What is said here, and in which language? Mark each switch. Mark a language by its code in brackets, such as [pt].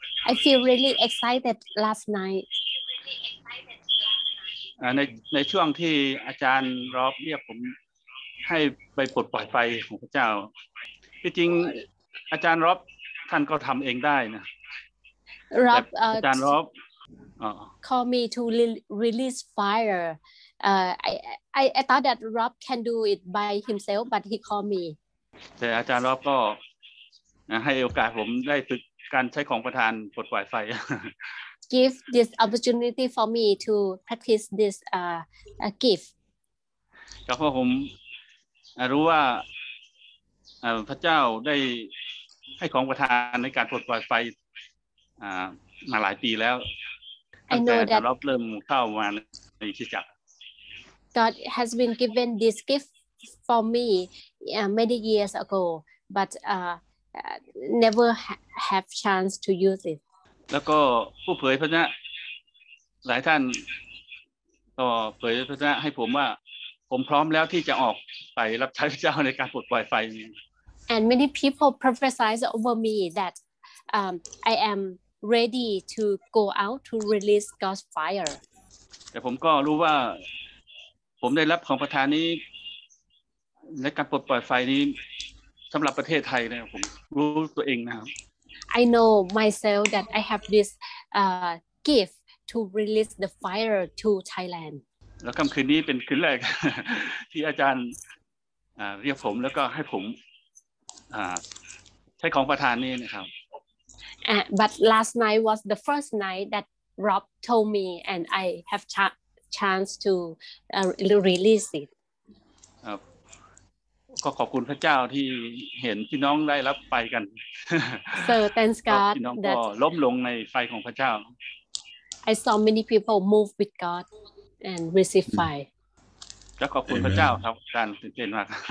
[en] I feel really excited last night [th] ในช่วงที่อาจารย์รอบเรียกผมให้ไปปลดปล่อยไฟของพระเจ้าที่จริงอาจารย์รอบท่านก็ทำเองได้นะ รอบ อาจารย์รอบ [en] call me to release fire I thought that Rob can do it by himself but he called me [th] แต่อาจารย์รอบก็ให้โอกาสผมได้ฝึกการใช้ของประทานปลดปล่อยไฟ [en] Give this opportunity for me to practice this gift [th] ก็เพราะผมรู้ว่าพระเจ้าได้ให้ของประทานในการปลดปล่อยไฟมาหลายปีแล้ว ตั้งแต่ รอบเริ่มเข้ามาในที่จักร [en] God has been given this gift for me many years ago butnever have chance to use it [th] แล้วก็ผู้เผยพระชนะหลายท่านต่อเผยพระชนะให้ผมว่าผมพร้อมแล้วที่จะออกไปรับใช้พระเจ้าในการปลดปล่อยไฟ [en] and many people prophesize over me that I am ready to go out to release God's fire [th] แต่ผมก็รู้ว่าผมได้รับของประทานนี้ในการปลดปล่อยไฟนี้สำหรับประเทศไทยเนี่ยผมรู้ตัวเองนะครับ [en] I know myself that I have this gift to release the fire to Thailand [th] แล้วค่ำคืนนี้เป็นคืนแรกที่อาจารย์เรียกผมแล้วก็ให้ผมใช้ของประธานนี่นะครับ [en] But last night was the first night that Rob told me and I have chance to release it [th] ก็ขอบคุณพระเจ้าที่เห็นพี่น้องได้รับไปกัน [en] So thanks God [th] พี่น้องก็ล้มลงในไฟของพระเจ้า [en] I saw many people move with God and receive fire [th] ก็ขอบคุณพระเจ้าครับการตื่นเต้นมาก